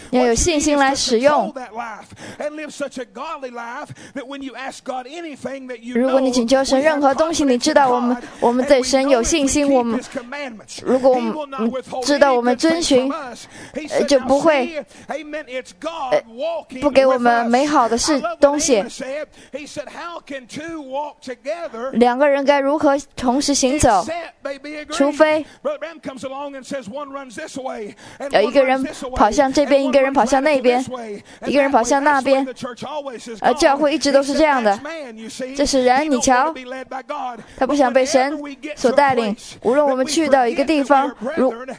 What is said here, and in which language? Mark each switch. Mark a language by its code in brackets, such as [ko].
[en] What you need is to control that life and live such a godly life that when you ask God anything that you know, we have confidence in God, and we know that we keep his commandments. He will not withhold anything from us. He said, now see, Amen. It's God walking. [zh] 不给我们美好的是东西。 [en] He said, "How can two walk together?" [zh] 两个人该如何同时行走？除非。 [en] Brother Ram comes along and says, "One runs this way." [zh] 一个人跑向这边，一个人跑向那边，一个人跑向那边。而教会一直都是这样的。这是人，你瞧，他不想被神所带领。无论我们去到一个地方，如。